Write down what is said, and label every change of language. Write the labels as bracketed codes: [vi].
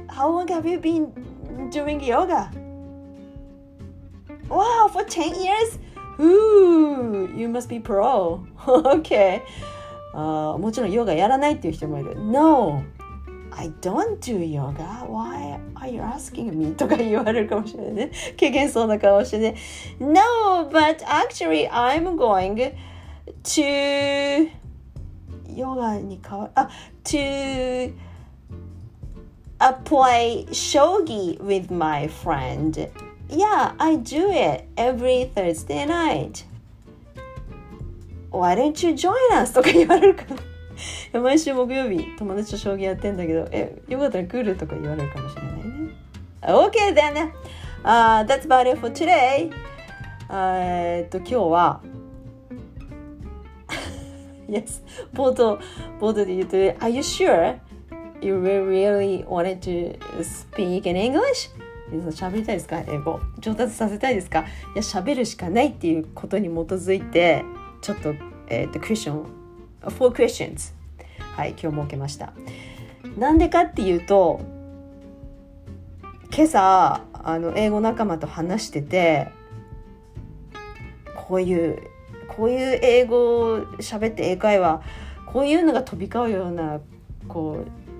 [en] How long have you been doing yoga? Wow, for 10 years? Ooh, you must be pro. Okay. [ja] もちろんヨガやらないっていう人もいる。 [en] No, I don't do yoga. Why? Are you asking me? [ja] とか言われるかもしれないね。軽減そうな顔してね。 [en] No, but actually I'm going to yoga [ja] に変わる。あ、 [en] to play shogi with my friend. Yeah, I do it every Thursday night. Why don't you join us? [ja] とか言われるかな。毎週木曜日友達と将棋やってんだけど、え、よかったら来るとか言われるかもしれない。 [en] Okay then, that's about it for today. [ja] 今日は [en] Yes, [ja] 冒頭で言うと [en] Are you sure you really wanted to speak in English? [ja] 皆さん喋りたいですか、英語上達させたいですか。いや、喋るしかないっていうことに基づいてちょっと、クエスチョン4 questions、はい、今日設けました。なんでかっていうと、今朝あの英語仲間と話してて、こういう英語を喋って、英会話こういうのが飛び交うような、こう